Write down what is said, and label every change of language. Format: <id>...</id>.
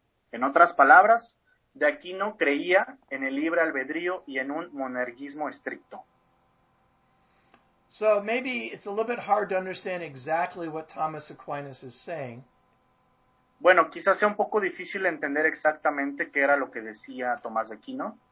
<es>En otras palabras, de Aquino creía en el libre albedrío y en un monerguismo estricto.</es> <en>So maybe it's a little bit hard to understand exactly what Thomas Aquinas is saying.</en> <es>Bueno, quizás sea un poco difícil entender exactamente qué era lo que decía Tomás de Aquino.</es>